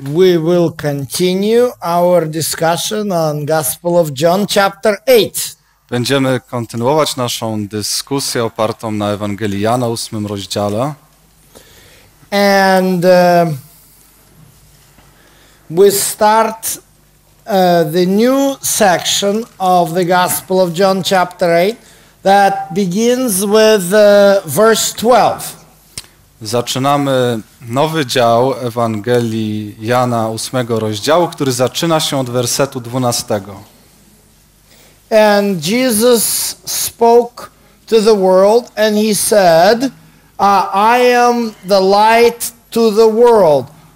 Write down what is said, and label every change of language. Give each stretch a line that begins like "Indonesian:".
English: We will continue our discussion on Gospel of John chapter 8.
Polish: Będziemy kontynuować naszą dyskusję opartą na Ewangelii Jana, 8 rozdziale.
English: And we start the new section of the Gospel of John chapter 8 that begins with verse 12.
Polish: Zaczynamy nowy dział Ewangelii Jana, 8 rozdziału, który zaczyna się od wersetu 12.
English: And Jesus spoke to the world and he said, I am the light to the world.